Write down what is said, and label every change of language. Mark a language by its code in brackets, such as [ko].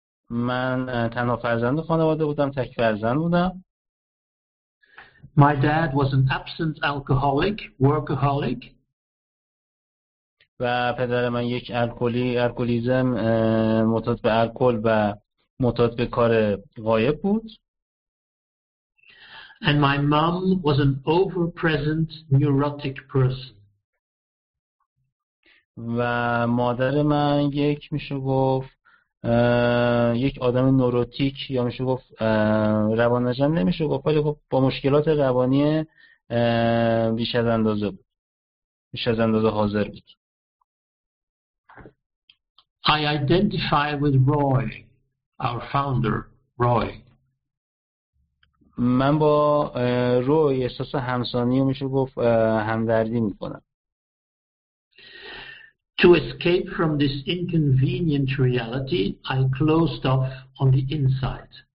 [fa] من تنها فرزند خانواده بودم، تک فرزند بودم. [en] My dad was an absent alcoholic, workaholic. [fa] و پدر من یک الکلیزم معتاد به الکل و معتاد به کار غایب بود. [en] And my mom was an overpresent neurotic person. [fa] و مادر من یک میشه گفت یک آدم نوروتیک یا میشه گفت روانجن، نمیشه گفت، ولی خب با مشکلات روانی بیش از اندازه بود، بیش از اندازه حاضر بود. [en] I identify with Roy, our founder, Roy. [fa] من با روی احساس همسانی و میشه گفت همدردی میکنم. [en] To escape from this inconvenient reality, I closed off on the inside.